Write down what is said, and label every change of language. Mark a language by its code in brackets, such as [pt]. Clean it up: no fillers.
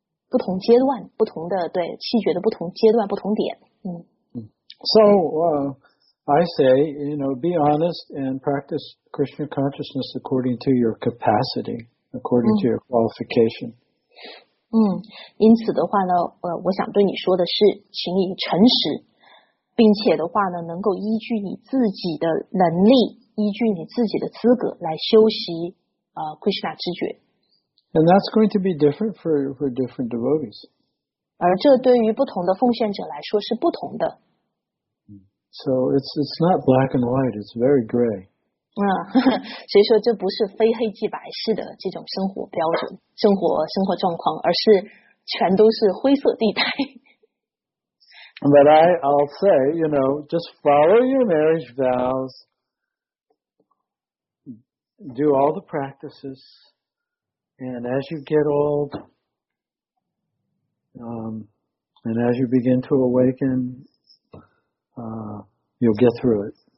[zh] 不同阶段，不同的对气绝的不同阶段，不同点。 [en] So, I say, you know, be honest and practice Krishna consciousness according to your capacity, according to your qualification. [zh] 因此的话呢，我想对你说的是，请你诚实，并且的话呢，能够依据你自己的能力，依据你自己的资格来修习Krishna 知觉。 [en] And that's going to be different for different devotees. [zh] 而这对于不同的奉献者来说是不同的。 [en] So it's not black and white, it's very gray. [zh] 所以说这不是非黑即白式的这种生活标准，生活状况，而是全都是灰色地带。 [en] But I'll say, you know, just follow your marriage vows, do all the practices, and as you get old, and as you begin to awaken, you'll get through it.